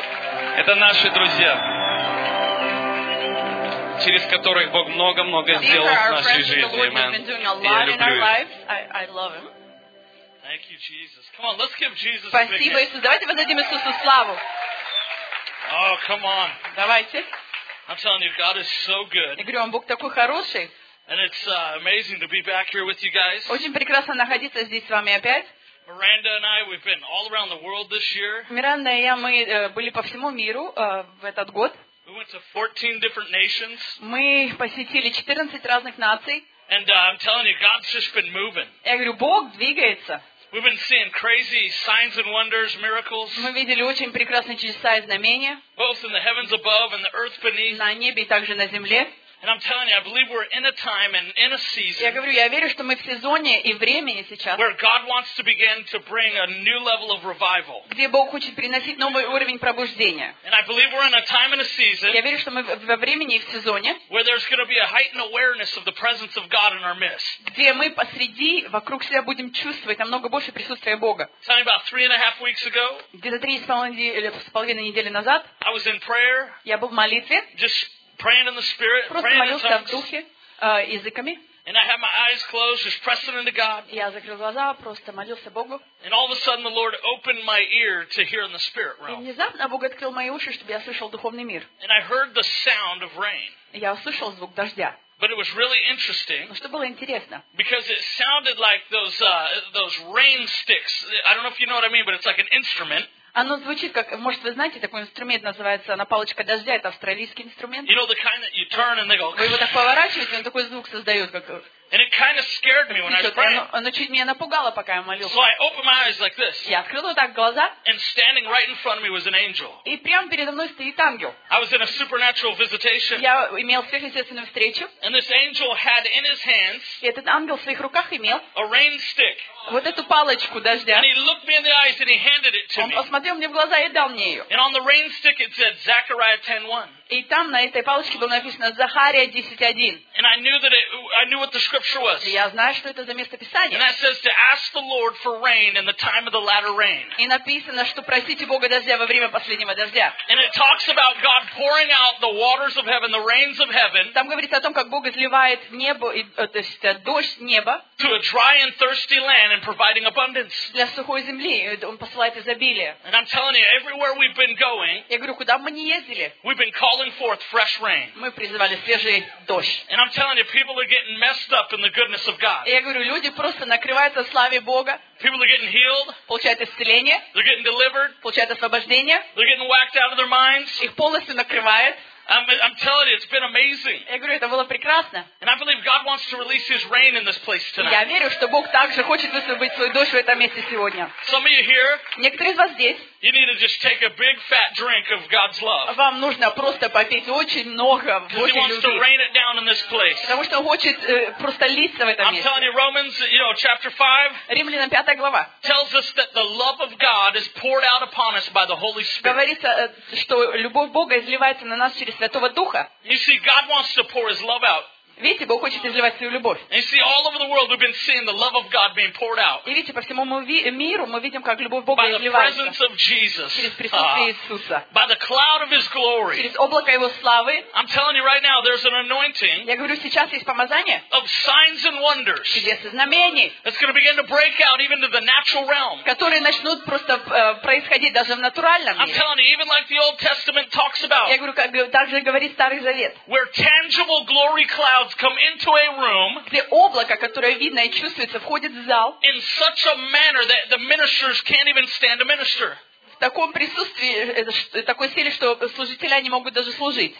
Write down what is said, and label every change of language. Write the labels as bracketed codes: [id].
[ru] Это наши друзья, через которых Бог много сделал в нашей жизни. Amen. Я люблю его. [en] I love him. Thank you, Jesus. Come on, let's give Jesus a big hand. [ru] Спасибо, Иисус. Давайте воздадим Иисусу славу. [en] Oh, come on. [ru] Давайте. [en] I'm telling you, God is so good. [ru] Я говорю вам, Бог такой хороший. [en] And it's amazing to be back here with you guys. [ru] Очень прекрасно находиться здесь с вами опять. [en] Miranda and I, we've been all around the world this year. [ru] Миранда и я, мы были по всему миру в этот год. [en] We went to 14 different nations. [ru] Мы посетили 14 разных наций. [en] And I'm telling you, God's just been moving. [ru] Я говорю, Бог двигается. [en] We've been seeing crazy signs and wonders, miracles. [ru] Мы видели очень прекрасные чудеса и знамения. [en] Both in the heavens above and the earth beneath. [ru] На небе и также на земле. [en] And I'm telling you, I believe we're in a time and in a season. [ru] Я говорю, я верю, что мы в сезоне и времени сейчас. [en] Where God wants to begin to bring a new level of revival. [ru] Где Бог хочет приносить новый уровень пробуждения. [en] And I believe we're in a time and a season. [ru] Я верю, что мы во времени и в сезоне. [en] Where there's going to be a heightened awareness of the presence of God in our midst. [ru] Где мы посреди, вокруг себя будем чувствовать намного больше присутствия Бога. [en] Telling you about 3.5 weeks ago. [ru] Где-то 3.5 недели назад. [en] I was in prayer. [ru] Я был в молитве. [en] Just praying in the spirit, [ru] просто [en] praying [ru] молился [en] in tongues, [ru] в духе, языками. [en] And I had my eyes closed, just pressing into God. [ru] Я закрыл глаза, просто молился Богу. [en] And all of a sudden, the Lord opened my ear to hear in the spirit realm. [ru] И внезапно Бог открыл мои уши, чтобы я слышал духовный мир. [en] And I heard the sound of rain. [ru] Я услышал звук дождя. [en] But it was really interesting. [ru] Но что было интересно? [en] Because it sounded like those rain sticks. I don't know if you know what I mean, but it's like an instrument. [ru] Оно звучит как, может, вы знаете, такой инструмент называется, она палочка дождя, это австралийский инструмент. [en] You know, the kind that you turn and they go... [ru] Вы его так поворачиваете, он такой звук создает, как... [en] And it kind of scared me when I was praying. [ru] Оно чуть меня напугало, пока я молился. [en] So I opened my eyes like this. [ru] Я открыл вот так глаза. [en] And standing right in front of me was an angel. [ru] И прямо передо мной стоит ангел. [en] I was in a supernatural visitation. [ru] Я имел сверхъестественную встречу. [en] And this angel had in his hands. [ru] И этот ангел в своих руках имел. [en] A rain stick. [ru] Вот эту палочку дождя. [en] And he looked me in the eyes and he handed it to [ru] он [en] me. [ru] Он посмотрел мне в глаза и дал мне ее. [en] And on the rain stick it said Zechariah 10:1. [ru] И там на этой палочке было написано Захария 10:1. [en] And I knew that I knew what the scripture was. [ru] Я знаю, что это за место писания. [en] And it says to ask the Lord for rain in the time of the latter rain. [ru] И написано, что просите Бога дождя во время последнего дождя. [en] And it talks about God pouring out the waters of heaven, the rains of heaven. [ru] Там говорится о том, как Бог изливает небо, то есть дождь неба. [en] To a dry and thirsty land and providing abundance. [ru] Для сухой земли он посылает изобилие. [en] And I'm telling you, everywhere we've been going. [ru] Я говорю, куда мы не ездили? [en] We've been calling forth fresh rain. [ru] Мы призывали свежий дождь. [en] And I'm telling you, people are getting messed up in the goodness of God. [ru] Я говорю, люди просто накрываются славой Бога. [en] People are getting healed. [ru] Получают исцеление. [en] They're getting delivered. [ru] Получают освобождение. [en] They're getting whacked out of their minds. [ru] Их полностью накрывает. [en] I'm telling you, it's been amazing. [ru] Я говорю, это было прекрасно. [en] And I believe God wants to release His rain in this place tonight. [ru] Я верю, что Бог также хочет высвободить свой дождь в этом месте сегодня. [en] Some of you here. [ru] Некоторые из вас здесь. [en] You need to just take a big fat drink of God's love. [ru] Вам нужно просто попить очень много Божьей любви. [en] He wants to rain it down in this place. [ru] Потому что хочет просто литься в этом месте. [en] I'm telling you, Romans, you know, chapter 5. [ru] Римлянам 5 глава. [en] Tells us that the love of God is poured out upon us by the Holy Spirit. [ru] Говорится, что любовь Бога изливается на нас через Святого Духа. [en] You see, God wants to pour His love out. [ru] Видите, Бог хочет изливать свою любовь. [en] You see, all over the world we've been seeing the love of God being poured out. [ru] И видите, по всему миру мы видим, как любовь Бога изливается. [en] By the presence of Jesus. [ru] Через присутствие Иисуса. [en] By the cloud of His glory. [ru] Через облако Его славы. [en] I'm telling you right now, there's an anointing. [ru] Я говорю, сейчас есть помазание. [en] Of signs and wonders. [ru] Чудес и знамений. [en] It's going to begin to break out even to the natural realm. [ru] Которые начнут просто происходить даже в натуральном мире. [en] I'm telling you, even like the Old Testament talks about. [ru] Я говорю, как также говорит Старый Завет. [en] Where tangible glory clouds come into a room, [ru] где облако, которое видно и чувствуется, входит в зал [en] in such a manner that the ministers can't even stand to minister. [ru] таком присутствии, такой силе, что служители не могут даже служить.